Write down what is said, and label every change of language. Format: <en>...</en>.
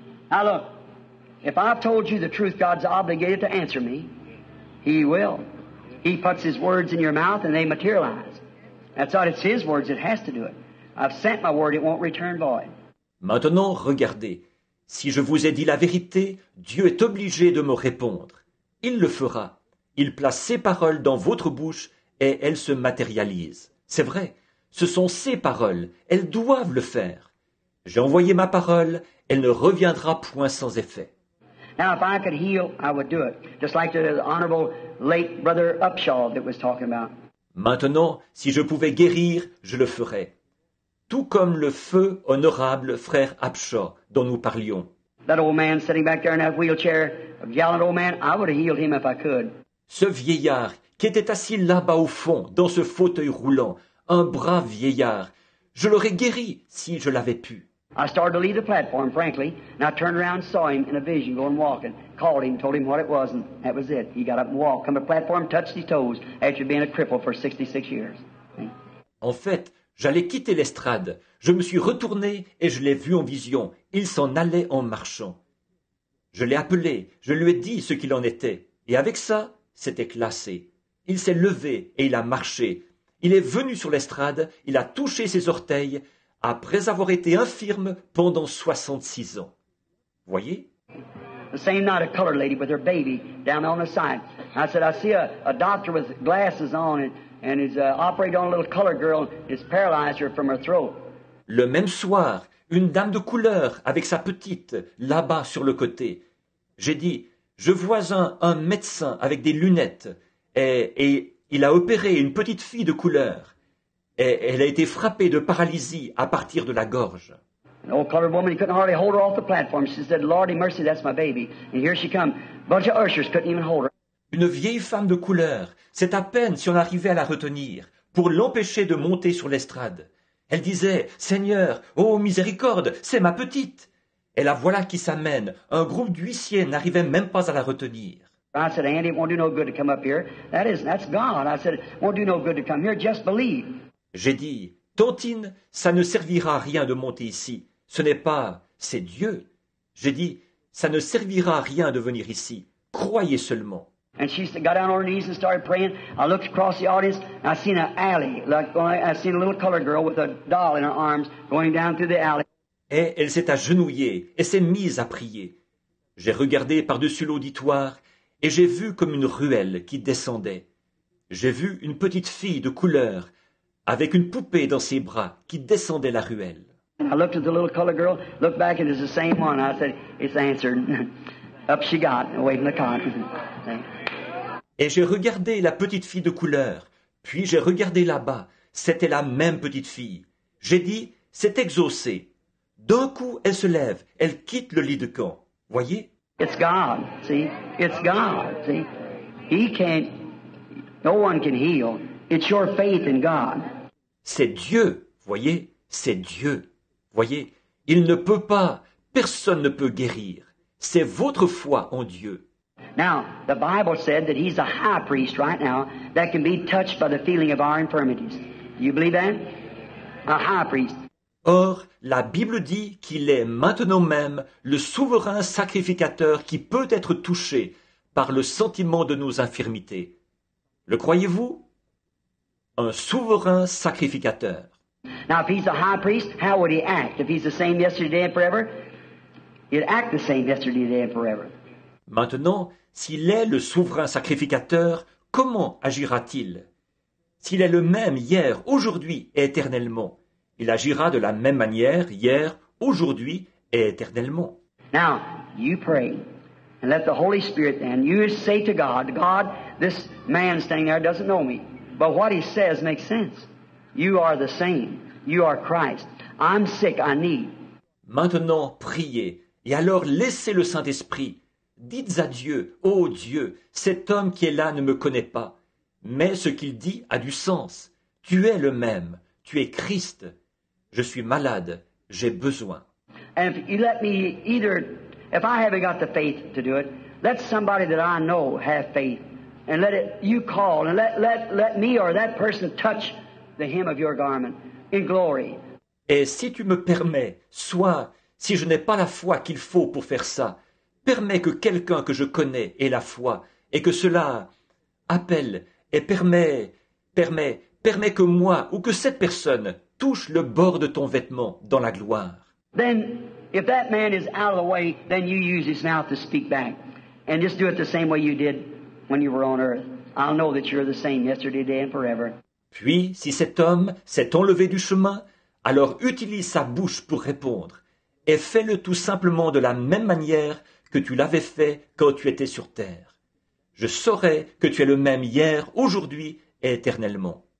<en>Now look, if I've told you the truth, God's obligated to answer me. He will. He puts his words in your mouth and they materialize. That's all, it's his words, it has to do it. I've sent my word, it won't return void.</en> <fr>Maintenant, regardez. Si je vous ai dit la vérité, Dieu est obligé de me répondre. Il le fera. Il place ses paroles dans votre bouche et elles se matérialisent. C'est vrai, ce sont ses paroles. Elles doivent le faire. J'ai envoyé ma parole, elle ne reviendra point sans effet.</fr> <en>Now, if I could heal, I would do it. Just like the honorable late brother Upshaw that was talking about.</en> <fr>Maintenant, si je pouvais guérir, je le ferais. Tout comme le feu honorable frère Upshaw dont nous parlions.</fr> <en>That old man sitting back there in that wheelchair, a gallant old man, I would have healed him if I could.</en> <fr>Ce vieillard qui était assis là-bas au fond, dans ce fauteuil roulant, un brave vieillard, je l'aurais guéri si je l'avais pu.</fr> <en>I started to leave the platform, frankly, and I turned around and saw him in a vision going walking. Called him, told him what it was, and that was it. He got up and walked, come to the platform, touched his toes after being a cripple for 66 years.</en> <fr>En fait, j'allais quitter l'estrade. Je me suis retourné et je l'ai vu en vision. Il s'en allait en marchant. Je l'ai appelé, je lui ai dit ce qu'il en était. Et avec ça, c'était classé. Il s'est levé et il a marché. Il est venu sur l'estrade, il a touché ses orteils après avoir été infirme pendant 66 ans. Voyez ?</fr> <en>the same night, a colored lady with her baby down on the side. I said, I see a doctor with glasses on and he's operating on a little colored girl. He's paralyzed her from her throat.</en> <fr>Le même soir, une dame de couleur avec sa petite là-bas sur le côté. J'ai dit, je vois un médecin avec des lunettes et il a opéré une petite fille de couleur. Et elle a été frappée de paralysie à partir de la gorge.</fr> <en>An old colored woman, he couldn't hardly hold her off the platform. She said, Lordy mercy, that's my baby. And here she comes. Bunch of ushers couldn't even hold her.</en> <fr>Une vieille femme de couleur, c'est à peine si on arrivait à la retenir, pour l'empêcher de monter sur l'estrade. Elle disait, Seigneur, oh miséricorde, c'est ma petite. Et la voilà qui s'amène. Un groupe d'huissiers n'arrivait même pas à la retenir.</fr> <en>I said, Andy, it won't do no good to come up here. That's God. I said, it won't do no good to come here. Just believe.</en> <fr>J'ai dit, Tontine, ça ne servira à rien de monter ici. Ce n'est pas, c'est Dieu. J'ai dit, ça ne servira à rien de venir ici. Croyez seulement.</fr> <en>And she got down on her knees and started praying. I looked across the audience and I seen an alley. I seen a little colored girl with a doll in her arms going down through the alley.</en> <fr>Et elle s'est agenouillée et s'est mise à prier. J'ai regardé par-dessus l'auditoire et j'ai vu comme une ruelle qui descendait. J'ai vu une petite fille de couleur avec une poupée dans ses bras qui descendait la ruelle.</fr> <en>I looked at the little colored girl, looked back and it's the same one. I said, it's answered. Up she got, away from the car.</en> <fr>Et j'ai regardé la petite fille de couleur, puis j'ai regardé là-bas, c'était la même petite fille. J'ai dit, c'est exaucé. D'un coup, elle se lève, elle quitte le lit de camp. Voyez?</fr> <en>It's God, see? It's God, see? He can't, no one can heal. It's your faith in God.</en> <fr>C'est Dieu, voyez? C'est Dieu. Voyez? Il ne peut pas, personne ne peut guérir. C'est votre foi en Dieu.</fr> <en>Now, the Bible said that he's a high priest right now that can be touched by the feeling of our infirmities. You believe that? A high priest.</en> <fr>Or, la Bible dit qu'il est maintenant même le souverain sacrificateur qui peut être touché par le sentiment de nos infirmités. Le croyez-vous? Un souverain sacrificateur.</fr> <en>Now, if he's a high priest, how would he act? If he's the same yesterday and forever, he'd act the same yesterday and forever.</en> <fr>Maintenant, s'il est le souverain sacrificateur, comment agira-t-il? S'il est le même hier, aujourd'hui et éternellement, il agira de la même manière hier, aujourd'hui et éternellement.</fr> <en>Now, you pray and let the Holy Spirit then, you say to God, God, this man standing there doesn't know me, but what he says makes sense. You are the same. You are Christ. I'm sick. I need.</en> <fr>Maintenant, priez et alors laissez le Saint-Esprit. Dites à Dieu, ô Dieu, cet homme qui est là ne me connaît pas, mais ce qu'il dit a du sens. Tu es le même, tu es Christ. Je suis malade, j'ai besoin.</fr> <en>And if you let me either, if I haven't got the faith to do it, let somebody that I know have faith, and let it, you call, and let me or that person touch the hem of your garment in glory.</en> <fr>Et si tu me permets, soit si je n'ai pas la foi qu'il faut pour faire ça, permets que quelqu'un que je connais ait la foi et que cela appelle et permet que moi ou que cette personne touche le bord de ton vêtement dans la gloire.</fr> <en>Then, if that man is out of the way, then you use his mouth to speak back. And just do it the same way you did when you were on earth. I'll know that you're the same yesterday, today and forever.</en> <fr>Puis, si cet homme s'est enlevé du chemin, alors utilise sa bouche pour répondre et fais-le tout simplement de la même manière que tu l'avais fait quand tu étais sur terre. Je saurai que tu es le même hier, aujourd'hui et éternellement.</fr>